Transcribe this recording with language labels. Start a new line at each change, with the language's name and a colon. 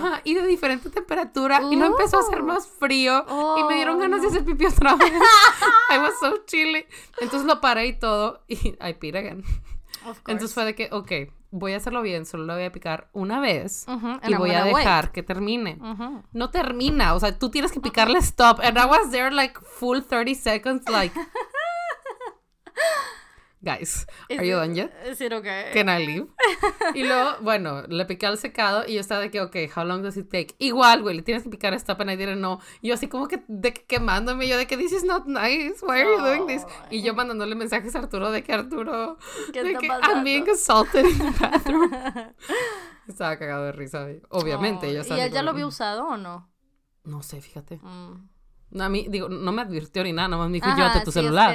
Spanish: Ajá, y de diferente temperatura. Y no empezó a hacer más frío. Oh, y me dieron ganas de hacer pipí otra vez.
English: I was so chilly.
Spanish: Entonces, lo paré y todo. Y
English: I peed again. Of course.
Spanish: Entonces, fue de que, ok, voy a hacerlo bien. Solo lo voy a picar una vez. Uh-huh. Y voy a dejar que termine. Uh-huh. No termina. O sea, tú tienes que picarle stop.
English: And I was there, like, full 30 seconds, like... Guys, is are you done yet? Is it okay? Can I leave?
Spanish: Y luego, bueno, le piqué al secado y yo estaba de que, ok,
English: how long does it take?
Spanish: Igual, güey, le tienes que picar a stop
English: and I didn't know.
Spanish: Y yo así como que, de que quemándome, yo de que
English: this is not nice, why are you doing this?
Spanish: Y yo mandándole mensajes a Arturo de que Arturo, ¿qué de está que pasando?
English: I'm being assaulted in the bathroom.
Spanish: Estaba cagado de risa, obviamente. Yo ¿y él ya lo había usado o no? No sé, fíjate. No, a mí, digo, no me advirtió ni nada, nomás me dijo, llévate tu celular.